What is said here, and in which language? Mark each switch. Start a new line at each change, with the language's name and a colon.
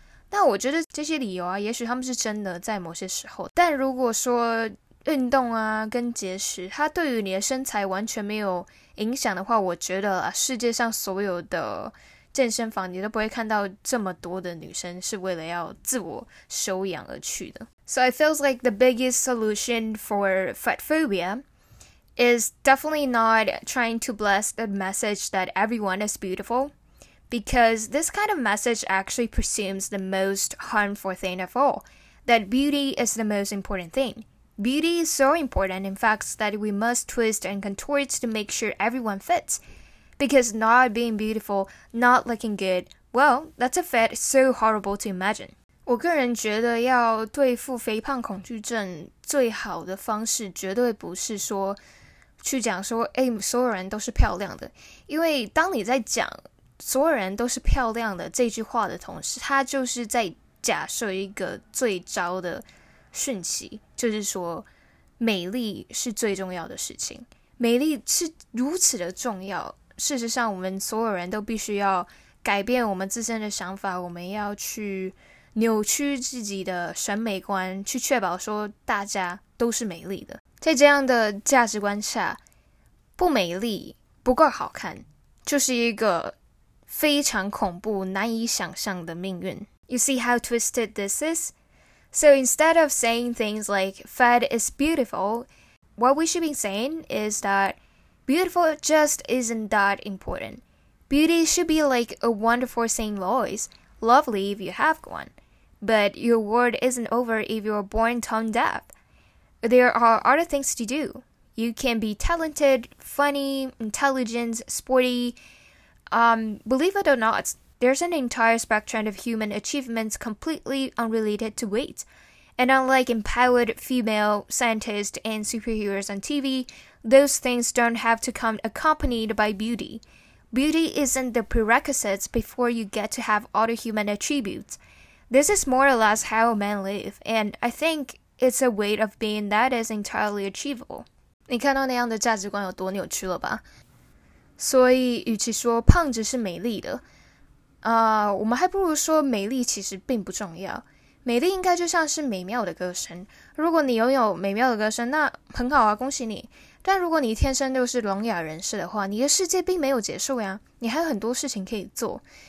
Chinese: 那我觉得这些理由啊，也许他们是真的在某些时候，但如果说运动啊跟节食它对于你的身材完全没有影响的话，我觉得啊，世界上所有的健身房你都不会看到这么多的女生是为了要自我修养而去的。
English: So it feels like the biggest solution for fat phobia is definitely not trying to blast the message that everyone is beautifulBecause this kind of message actually presumes the most harmful thing of all, that beauty is the most important thing. Beauty is so important, in fact, that we must twist and contort to make sure everyone fits. Because not being beautiful, not looking good, well, that's a fat so horrible to imagine.
Chinese: 我个人觉得要对付肥胖恐惧症最好的方式绝对不是说去讲说，哎，所有人都是漂亮的，因为当你在讲所有人都是漂亮的这句话的同时，他就是在假设一个最糟的讯息，就是说美丽是最重要的事情，美丽是如此的重要，事实上我们所有人都必须要改变我们自身的想法，我们要去扭曲自己的审美观，去确保说大家都是美丽的。在这样的价值观下，不美丽不够好看就是一个非常恐怖难以想象的命运。
English: You see how twisted this is? So instead of saying things like fat is beautiful, what we should be saying is that beautiful just isn't that important. Beauty should be like a wonderful Saint Louis, lovely if you have one, but your world isn't over if you're born tone deaf. There are other things to do. You can be talented, funny, intelligent, sportyBelieve it or not, there's an entire spectrum of human achievements completely unrelated to weight. And unlike empowered female scientists and superheroes on TV, those things don't have to come accompanied by beauty. Beauty isn't the prerequisite before you get to have other human attributes. This is more or less how men live, and I think it's a way of being that is entirely achievable.
Chinese: 你看到那样的价值观有多扭曲了吧？所以与其说胖子是美丽的我们还不如说美丽其实并不重要。美丽应该就像是美妙的歌声，如果你拥有美妙的歌声那很好啊，恭喜你，但如果你天生就是聋哑人士的话，你的世界并没有结束呀，你还有很多事情可以做。